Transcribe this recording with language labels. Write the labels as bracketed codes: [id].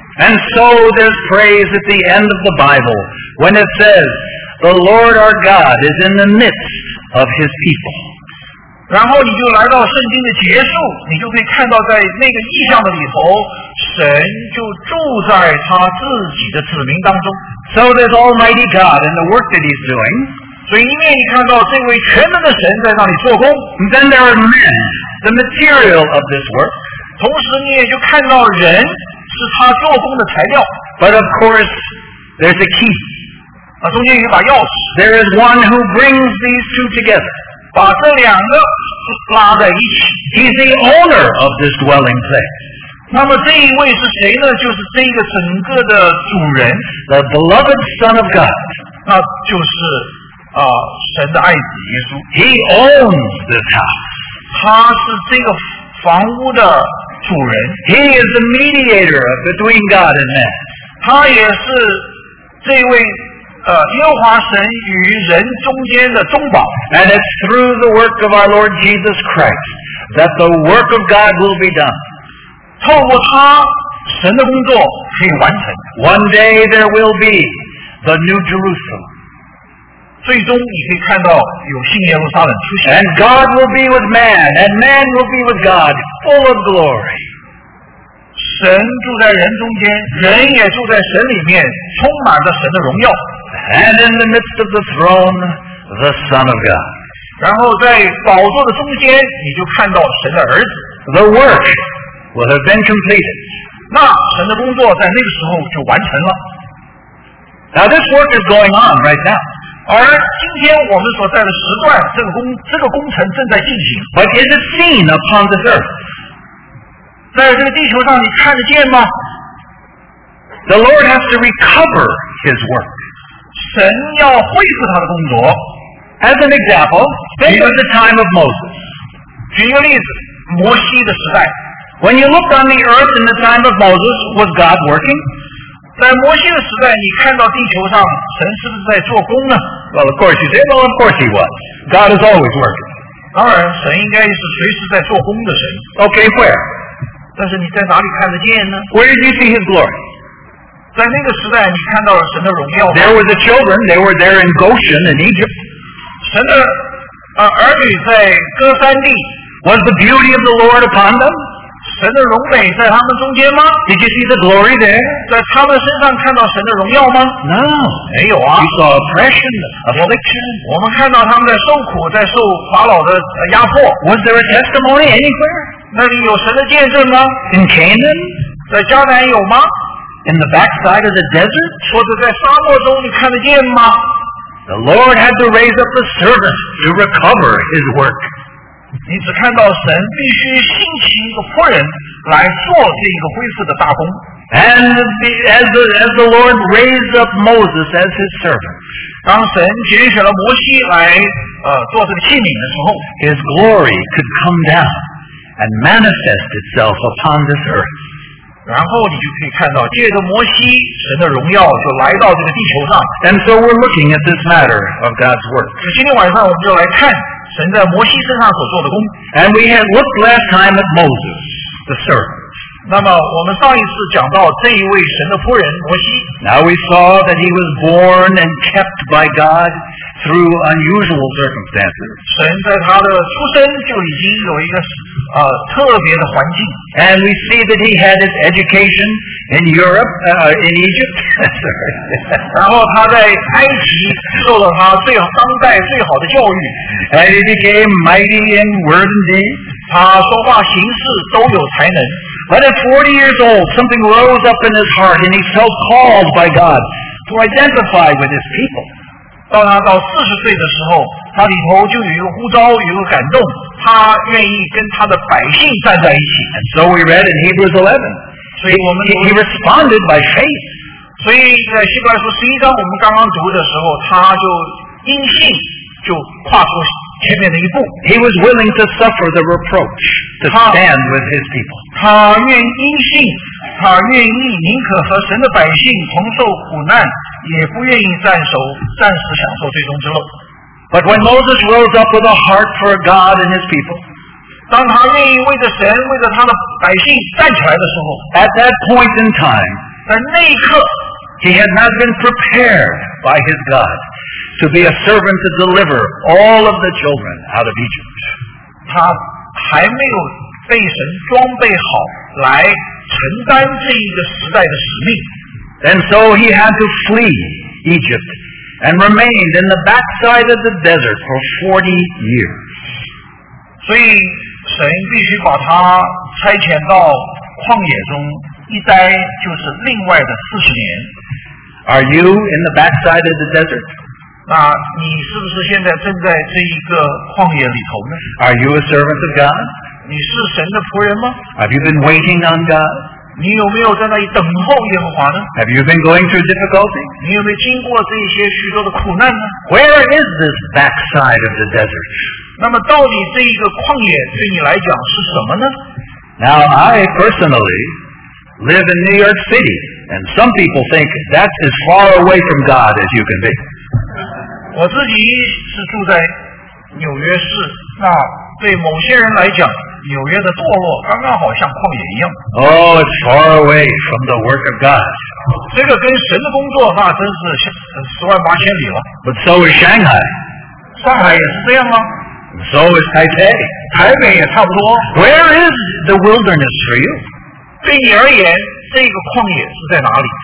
[en] And so there's praise at the end of the Bible when it says, "The Lord our God is in the midst of His people." [zh] 然后你就来到圣经的结束，你就可以看到在那个意象的里头，神就住在他自己的子民当中。 [en] So there's Almighty God and the work that He's doing. [zh] 所以一面你看到这位全能的神在那里做工 [en] ，then there are men, the material of this work. [zh] 同时你也就看到人是他做工的材料。 [en] But of course, there's a key. [zh] 啊，中间有一把钥匙。 [en] There is one who brings these two together. [zh] 把这两个拉在一起。 [en] He's the owner of this dwelling place. [zh] 那么这一位是谁呢？就是这个整个的主人 [en] ，the beloved Son of God. [zh] 那就是。神的爱子耶稣。 [en] He owns this house. [zh] 他是这个房屋的主人。 [en] He is the mediator between God and man. [zh] 他也是这位耶和华神与人中间的中保。 [en] And it's through the work of our Lord Jesus Christ that the work of God will be done. [zh] 透过他，神的工作可以完成。 [en] One day there will be the New Jerusalem. [zh] 最终你可以看到有新耶路撒冷出现。 [en] And God will be with man, and man will be with God, full of glory. [zh] 神住在人中间，人也住在神里面，充满着神的荣耀。 [en] And in the midst of the throne, the Son of God. [zh] 然后在宝座的中间，你就看到神的儿子。 [en] The work will have been completed. [zh] 那神的工作在那个时候就完成了。 [en] Now this work is going on right now. [zh] 而今天我们所在的时段，这个工程正在进行。 [en] But is it seen upon the earth? [zh] 在这个地球上，你看得见吗？ [en] The Lord has to recover His work. [zh] 神要恢复他的工作。 [en] As an example, think of the time of Moses. [zh] 举一个例子，摩西的时代。 [en] When you looked on the earth in the time of Moses, was God working? [zh] 在摩西的时代，你看到地球上神是不是在做工呢？ [en] Well, of course, you say, well, of course he was. God is always working. [zh] 当然，神应该是随时在做工的神。 [en] Okay, where? [zh] 但是你在哪里看得见呢？ [en] Where did you see his glory? [zh] 在那个时代，你看到了神的荣耀。 [en] There were the children. They were there in Goshen in Egypt. [zh] 神的儿女在歌山地。 [en] Was the beauty of the Lord upon them? [zh] 神的荣美在他们中间吗？ [en] Did you see the glory there? [zh] 在他们身上看到神的荣耀吗？ [en] No, [zh] 没有啊。 [en] You saw oppression, affliction. [zh] 我们看到他们在受苦，在受法老的压迫。 [en] Was there a testimony anywhere? [zh] 那里有神的见证吗？ [en] In Canaan? [zh] 在迦南有吗？ [en] In the backside of the desert? [zh] 或者在沙漠中你看得见吗？ [en] The Lord had to raise up the servant to recover his work. [zh] 你只看到神必须兴起一个仆人来做这个恢复的大工。 [en] And as the Lord raised up Moses as his servant, [zh] 当神拣选了摩西来做这个器皿的时候 [en] ，His glory could come down and manifest itself upon this earth. [zh] 然后你就可以看到借着摩西，神的荣耀就来到这个地球上。 [en] And so we're looking at this matter of God's work. [zh] 今天晚上我们就来看。神在摩西身上所做的工。 [en] And we had looked last time at Moses, the servant. [zh] 那么我们上一次讲到这一位神的仆人摩西。 [en] Now we saw that he was born and kept by God through unusual circumstances. [zh] 神在他的出生就已经有一个特别的环境。 [en] And we see that he had his education in Europe, in Egypt. [zh] 然后他在埃及受了他最当代最好的教育。 [en] And he became mighty in word and deed. [zh] 他说话行事都有才能。 [en] But at 40 years old, something rose up in his heart and he felt called by God to identify with his people. [zh] 当他到40岁的时候他里头就有一个呼召有一个感动他愿意跟他的百姓站在一起。 [en] And so we read in Hebrews 11. [zh] 所以我们 [en] he responded by faith. [zh] 所以在希伯来书11章我们刚刚读的时候他就因信就跨出前面的一步。 [en] He was willing to suffer the reproach to stand with his people. [zh] 他愿意因信他愿意宁可和神的百姓同受苦难也不愿意暂时享受最终之乐。 [en] But when Moses rose up with a heart for God and his people, [zh] 当他愿意为着神为着他的百姓站起来的时候 [en] at that point in time, [zh] 在那一刻 [en] he had not been prepared by his God to be a servant to deliver all of the children out of Egypt. [zh] 他还没有被神装备好来承担这一个时代的使命。 [en] And so he had to flee Egypt and remained in the backside of the desert for 40 years. [zh] 所以神必须把他差遣到旷野中一待就是另外的40年。 [en] Are you in the backside of the desert? [zh] 那你是不是现在正在这一个旷野里头呢？ [en] Are you a servant of God? [zh] 你是神的仆人吗？ [en] Have you been waiting on God? [zh] 你有没有在那里等候耶和华呢？ [en] Have you been going through difficulty? [zh] 你有没有经过这些许多的苦难呢？ [en] Where is this backside of the desert? [zh] 那么到底这一个旷野对你来讲是什么呢？ [en] Now I personally live in New York City, and some people think that's as far away from God as you can be. [zh] 我自己是住在纽约市，那对某些人来讲纽约的堕落刚刚好像旷野一样。 [en] Oh, it's far away from the work of God. [zh] 这个跟神的工作那真是十万八千里了。 [en] But so is Shanghai. [zh] 上海也是这样吗？ [en] So is Taipei. [zh] 台北也差不多。 [en] Where is the wilderness for you? [zh] 对你而言，这个旷野是在哪里？